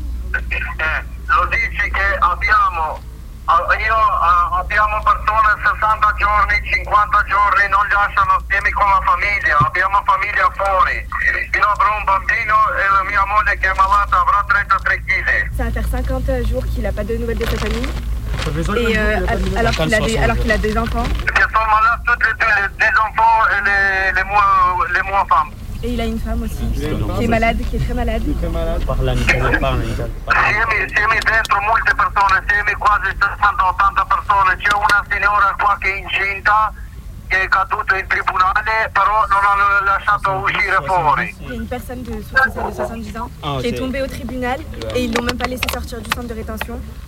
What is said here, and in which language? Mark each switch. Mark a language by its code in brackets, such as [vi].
[it] Lo dici che abbiamo persone 60 giorni, 50 giorni, non li lasciano assieme con la famiglia, abbiamo famiglia fuori. Io avrò un bambino e la mia moglie che è malata avrà 33 kg. [fr] Ça va faire 50 jours qu'il n'a pas de nouvelles de sa famille. Alors qu'il a des enfants. Ils sont malades toutes les enfants et les moins femmes. Et il a une femme aussi, qui est très malade. [it] Siamo dentro molte persone, quasi 60-80 persone. C'è una signora qua che è incinta, che è caduta in tribunale, però non l'hanno lasciato uscire fuori. [fr] C'est une personne de 70 ans qui est tombée au tribunal et ils l'ont même pas laissé sortir du centre de rétention.